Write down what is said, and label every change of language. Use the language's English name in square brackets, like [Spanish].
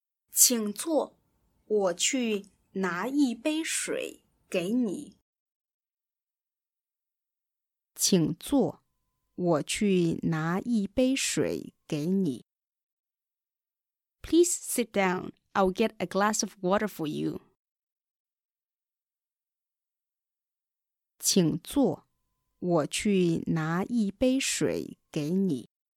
[Chinese] 请坐，我去拿一杯水给你。请坐，我去拿一杯水给你。 [English] Please sit down. I'll get a glass of water for you. [Chinese] 请坐，我去拿一杯水给你。